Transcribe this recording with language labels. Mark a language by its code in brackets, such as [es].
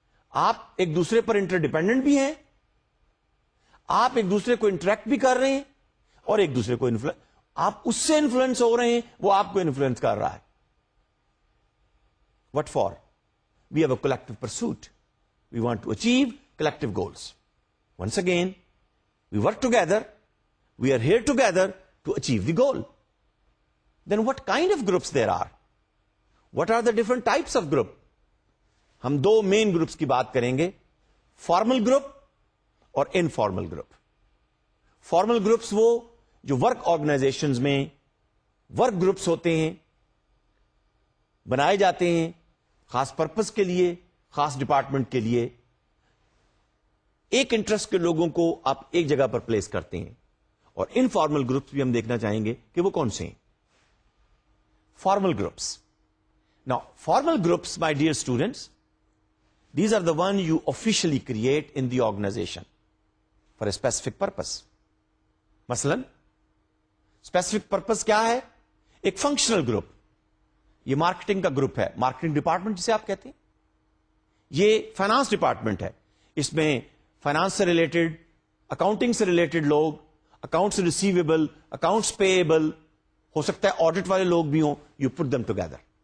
[ur] آپ ایک دوسرے پر انٹر ڈیپینڈنٹ بھی ہیں، آپ ایک دوسرے کو انٹریکٹ بھی کر رہے ہیں، اور ایک دوسرے کو آپ اس سے انفلوئنس ہو رہے ہیں، وہ آپ کو انفلوئنس کر رہا ہے. [en] What for? We have a collective pursuit, we want to achieve collective goals. Once again we work together, we are here together to achieve the goal. Then what kind of groups there are? What are the different types of group? [ur] ہم دو main groups کی بات کریں گے، formal group اور informal group. Formal groups وہ جو work organisations میں work groups ہوتے ہیں، بنائے جاتے ہیں خاص پرپز کے لیے، خاص ڈپارٹمنٹ کے لیے. ایک انٹرسٹ کے لوگوں کو آپ ایک جگہ پر پلیس کرتے ہیں. اور انفارمل گروپس بھی ہم دیکھنا چاہیں گے کہ وہ کون سے ہیں. [en] Formal groups, نا formal groups my dear students, these are the one you officially create in the organization for a specific purpose. [ur] مثلاً اسپیسیفک پرپز کیا ہے؟ ایک فنکشنل گروپ، یہ مارکیٹنگ کا گروپ ہے، مارکیٹنگ ڈپارٹمنٹ جسے آپ کہتے ہیں، یہ فائنانس ڈپارٹمنٹ ہے، اس میں فائنانس سے ریلیٹڈ، اکاؤنٹنگ سے ریلیٹڈ لوگ، اکاؤنٹس ریسیویبل، اکاؤنٹس پیبل، ہو سکتا ہے آڈٹ والے لوگ بھی ہوں، [en] You put them together.